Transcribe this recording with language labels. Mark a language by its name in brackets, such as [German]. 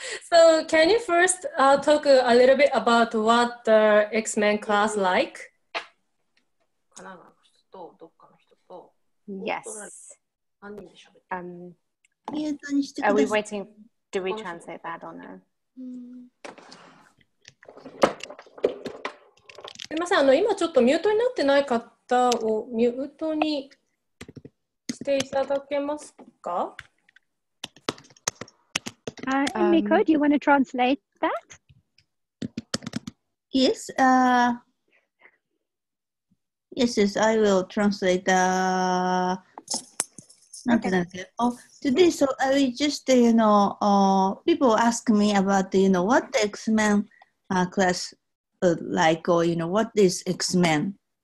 [English] So can you first talk a little bit about what the X-Men class like? [Japanese] カナダの人とどっかの人と [English] Yes. [Japanese] 何人で喋ってる？ [English] Are we waiting? Do we translate that or no? [Japanese] すみません、今ちょっとミュートになってない方をミュートにしていただけますか？ [English] Hi, Emiko, do you want to translate that? Yes, yes, I will translate the... Okay. Oh, today, so I was just, people ask me about, what the X-Men class like, or, what is X-Men